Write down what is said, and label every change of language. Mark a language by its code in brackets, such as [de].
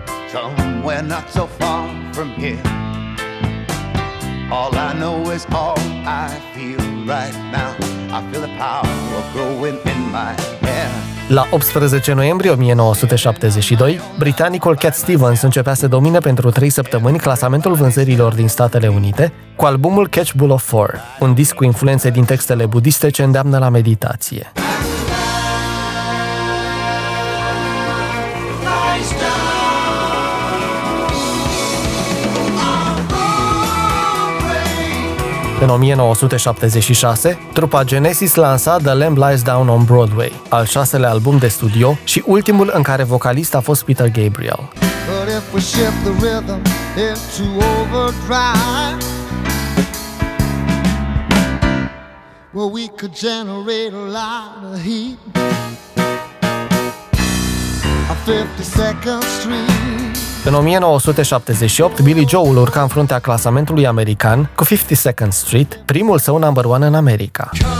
[en] Somewhere not so far from here. All I know is all I feel right now. I feel the power growing in my hair. [ro] La 18 noiembrie 1972, britanicul Cat Stevens începea să domine pentru 3 săptămâni clasamentul vânzărilor din Statele Unite cu albumul Catch Bull of Four, un disc cu influențe din textele budiste ce îndeamnă la meditație. În 1976, trupa Genesis lansa The Lamb Lies Down on Broadway, al 6-lea album de studio și ultimul în care vocalist a fost Peter Gabriel. [en] But if we shift the rhythm into overdrive, well, we could generate a lot of heat. A 52nd Street. [ro] În 1978, Billy Joel urca în fruntea clasamentului american cu 52nd Street, primul său [en] number one [ro] în America.